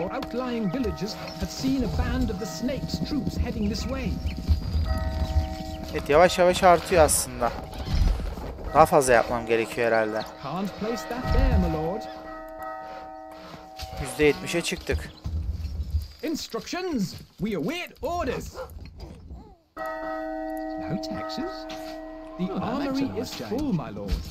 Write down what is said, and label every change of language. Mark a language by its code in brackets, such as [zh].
[en] Outlying villages have seen a band of the snake's troops heading this way. [tr] Evet, yavaş yavaş artıyor aslında. Daha fazla yapmam gerekiyor herhalde. [en] Can't place that there, my lord. [tr] %70'e çıktık. [en] Instructions. We await orders. No taxes. The armory is full, my lord.